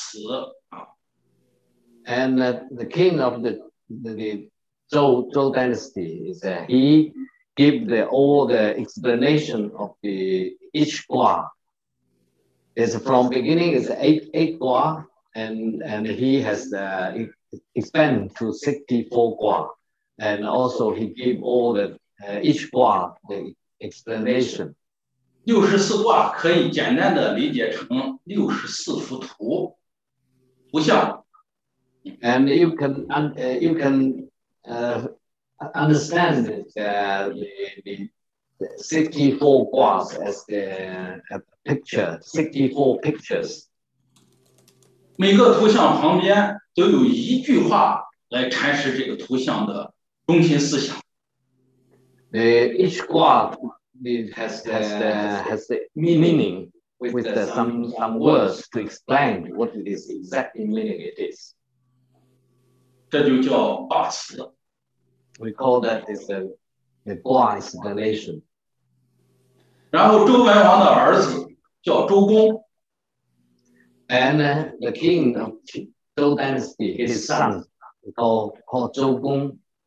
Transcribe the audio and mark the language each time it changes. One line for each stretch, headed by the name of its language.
Chinese: 给每一个卦，做了注释，这就是卦辞啊。
English: And the king of the Zhou dynasty is that he give the all the explanation of the each卦. It's from beginning is eight卦, and he has expanded to 64 卦, and also he give all the each 卦 the explanation.
Chinese: 64卦 可以简单的理解成64幅图图像。
English: And you can understand the 64 卦 as a picture, 64 pictures.
Chinese: 每个图像旁边都有一句话来阐释这个图像的中心思想。
English: Each qua has the meaning with the some words to explain what it is exactly meaning it is.
Chinese: 这就叫八词.
English: We call that is the qua explanation.
Chinese: 然后周文王的儿子叫周公.
English: And the king of Zhou dynasty, his son, called Zhou公.